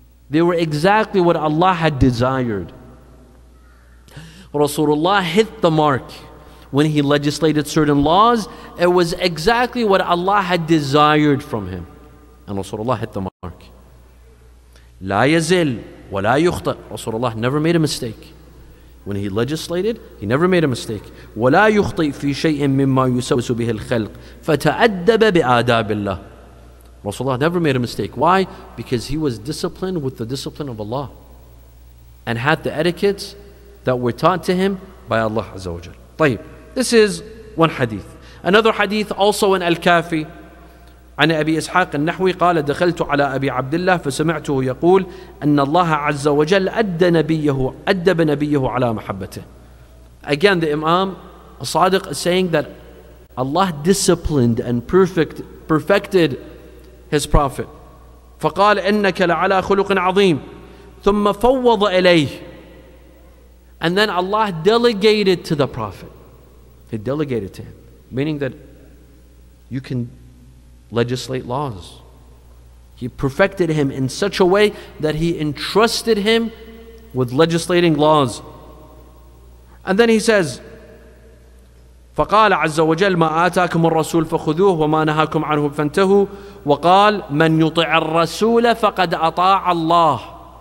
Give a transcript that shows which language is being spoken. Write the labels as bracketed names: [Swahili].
[English] They were exactly what Allah had desired. Rasulullah hit the mark when he legislated certain laws. It was exactly what Allah had desired from him, and Rasulullah hit the mark. [Arabic] لا يزل ولا يخطئ. [English] Rasulullah never made a mistake. When he legislated, he never made a mistake. [Arabic] ولا يخطئ في شيء مما يسوس به الخلق فتأدب بآداب الله. [English] Rasulullah never made a mistake. Why? Because he was disciplined with the discipline of Allah and had the etiquettes that were taught to him by Allah Azza wa Jal. طيب, this is one hadith. Another hadith also in Al-Kafi. [Arabic] عن أبي إسحاق النحوي قال دخلت على أبي عبد الله فسمعته يقول أن الله عز وجل أدب نبيه على محبته. [English] Again, the Imam Sadiq is saying that Allah disciplined and perfected his prophet. [Arabic] فقال إنك لعلى خلق عظيم ثم فوض إليه. [English] And then Allah delegated to the prophet. He delegated to him, meaning that you can legislate laws. He perfected him in such a way that he entrusted him with legislating laws. And then he says, [Arabic] فَقَالَ عَزَّ وَجَلْ مَا آتَاكُمُ الرَّسُولُ فَخُذُوهُ وَمَا نَهَاكُمْ عَنْهُ فَانْتَهُوا وَقَالْ مَنْ يُطِعَ الرَّسُولَ فَقَدْ أَطَاعَ اللَّهِ.